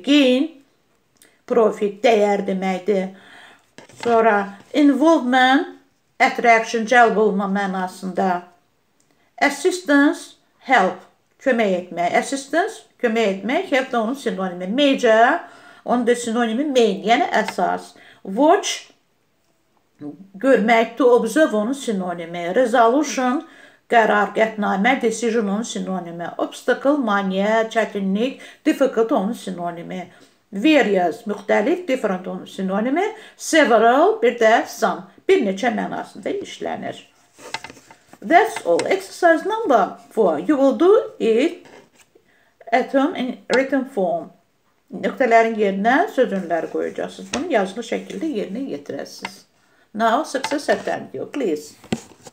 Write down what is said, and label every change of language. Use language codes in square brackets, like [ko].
[az] Gain, profit, dəyər deməkdir. Sonra, involvement, attraction, cəlb olma mənasında. Assistance, help, kömək etmək. Assistance, kömək etmək, help də onun sinonimi. Major, onun da sinonimi main, yəni əsas. Watch, görmək, to observe onun sinonimi. Resolution, qərar, qətnamə, decision onun sinonimi. Obstacle, maniyyə, çətinlik, difficult onun sinonimi. Various, müxtəlif, different onun sinonimi. Several, bir də some, bir neçə mənasında işlənir. [en] That's all. Exercise number 4. You will do it at home in written form. [az] Nöqtələrin yerinə sözünləri qoyacaqsınız. Bunu yazılı şəkildə yerinə yetirəsiniz. [en] Now, success attempt you, please.